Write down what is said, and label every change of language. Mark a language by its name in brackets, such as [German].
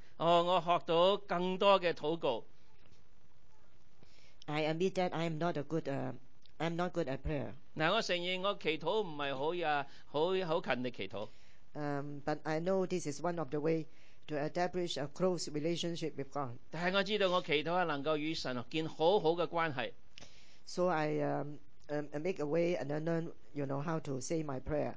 [Cantonese] 哦，我学到更多嘅祷告。 [English] I admit that I am not a good I'm not good at prayer. [Cantonese] 嗱，我承认我祈祷唔系好勤力祈祷。 [English] But I know this is one of the way to establish a close relationship with God. [Cantonese] 但系我知道我祈祷系能够与神建好好嘅关系。 [English] So I make a way and I learn, you know, how to say my prayer.